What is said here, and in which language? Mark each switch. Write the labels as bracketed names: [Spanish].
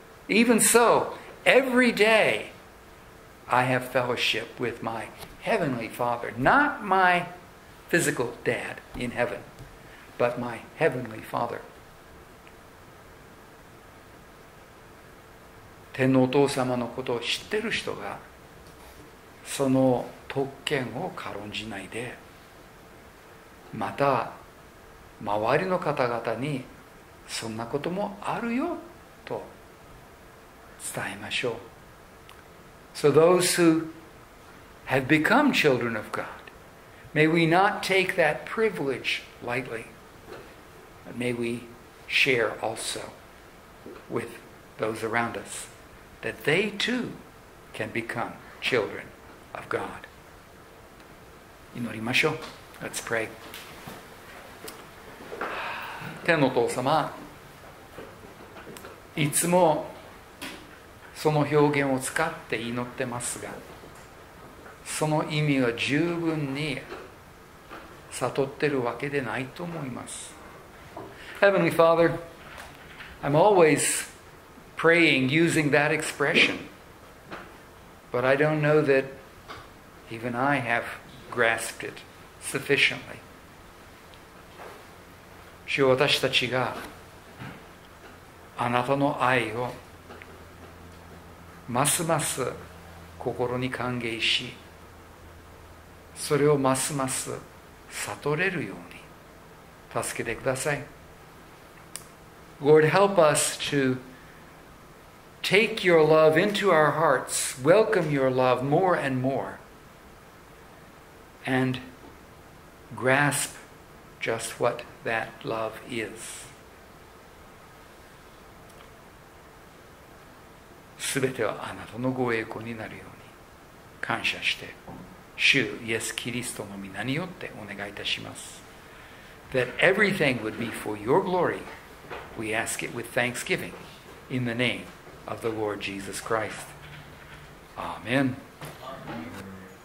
[English] Even so, every day I have fellowship with my heavenly father, not myphysical dad in heaven, but my heavenly father. [Japanese] 天のお父様のことを知っている人がその特権を軽んじないで、また周りの方々にそんなこともあるよと伝えましょう。 [English] So those who have become children of God, may we not take that privilege lightly, but may we share also with those around us that they too can become children of God. [Japanese] 祈りましょう。 [English] Let's pray. [Japanese] 天のお父様、いつもその表現を使って祈ってますが、その意味は十分に悟ってるわけでないと思います。 [English] Heavenly Father, I'm always praying using that expression, but I don't know that even I have grasped it sufficiently. [Japanese] 主よ、私たちがあなたの愛をますます心に歓迎し、それをますます悟れるように助けてください。 [English] Lord, help us to take your love into our hearts, welcome your love more and more, and grasp just what that love is. [Japanese] すべてはあなたのご栄光になるように感謝して、主イエスキリストの御名によってお願いいたします。 [English] That everything would be for your glory, we ask it with thanksgiving in the name of the Lord Jesus Christ. Amen.